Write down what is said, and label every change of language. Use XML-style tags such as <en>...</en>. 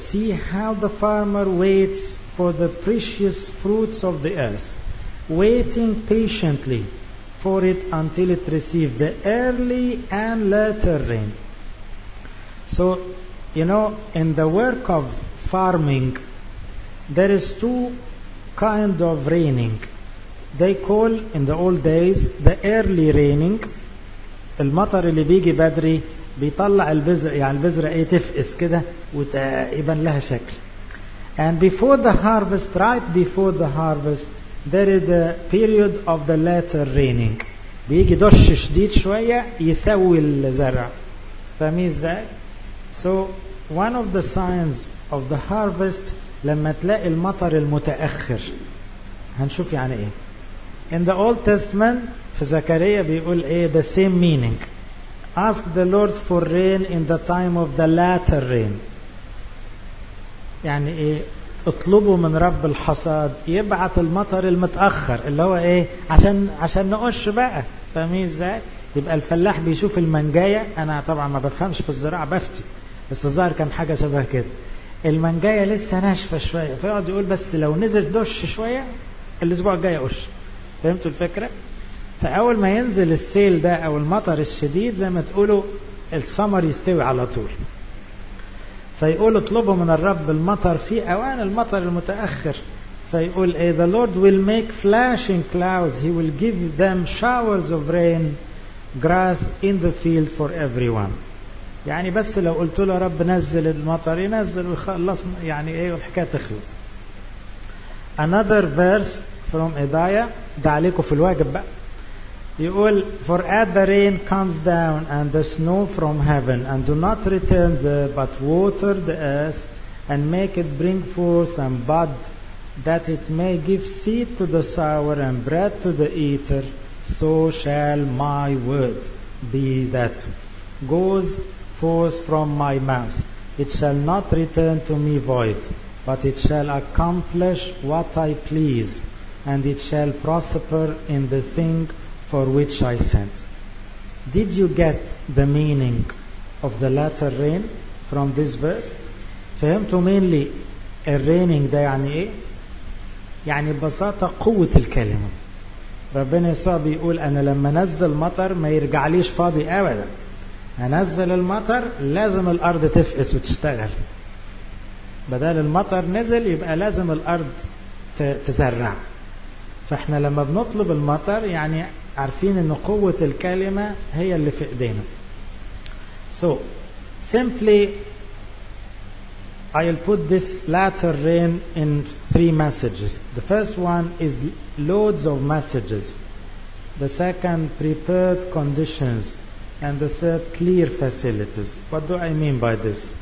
<en>See how the farmer waits for the precious fruits of the earth, waiting patiently for it until it receives the early and latter rain. So, you know, in the work of farming, there is 2 kinds of raining. They call, in the old days, the early raining.</en> <ar>المطر اللي بيجي بدري بيطلع البذرة، يعني البذرة ايه تفقس كده ويبان لها شكل.</ar> <en>And before the harvest, right before the harvest, there is the period of the latter raining.</en> <ar>بيجي دش شديد شوية يسوي الزرع. فاهمين ازاي؟</ar> <en>So one of the signs of the harvest,</en> <ar>لما تلاقي المطر المتأخر. هنشوف يعني ايه.</ar> <en>In the Old Testament,</en> <ar>في زكريا بيقول ايه</ar> <en>the same meaning. Ask the Lord for rain in the time of the latter rain.</en> <ar>يعني ايه؟ اطلبوا من رب الحصاد يبعث المطر المتأخر اللي هو ايه؟ عشان نقش بقى. فاهمين ازاي؟ يبقى الفلاح بيشوف المنجاية، انا طبعا ما بفهمش في الزراعة بفتي، بس الظاهر كان حاجة شبه كده. المنجاية لسه ناشفة شوية، فيقعد يقول بس لو نزل دش شوية الأسبوع الجاي أقش. فهمتوا الفكرة؟ فأول ما ينزل السيل ده أو المطر الشديد زي ما تقولوا الثمر يستوي على طول. فيقول اطلبوا من الرب المطر في أوان المطر المتأخر. فيقول إيه؟</ar> <en>The Lord will make flashing clouds. He will give them showers of rain, grass in the field for everyone.</en> <ar>يعني بس لو قلت له رب نزل المطر ينزل ويخلصنا، يعني ايه والحكاية تخلص.</ar> <en>Another verse from Isaiah،</en> <ar>ده عليكم في الواجب بقى.</ar> <en>يقول for at the rain comes down and the snow from heaven and do not return there but water the earth and make it bring forth and bud that it may give seed to the sower and bread to the eater so shall my word be that goes forth from my mouth it shall not return to me void but it shall accomplish what I please and it shall prosper in the thing for which I sent. Did you get the meaning of the latter rain from this verse?</en> <ar>فهمتوا</ar> <en>mainly a raining</en> <ar>ده يعني ايه؟ يعني ببساطة قوة الكلمة. ربنا يسوع بيقول انا لما نزل مطر ما يرجع ليش فاضي ابدا. هنزل المطر لازم الارض تفقس وتشتغل. بدل المطر نزل يبقى لازم الارض تزرع. فاحنا لما بنطلب المطر يعني عارفين ان قوة الكلمة هي اللي في ايدينا.</ar> <en>So simply I'll put this latter rain in three messages. The first one is loads of messages. The second, prepared conditions. And the third, clear facilities. What do I mean by this?</en>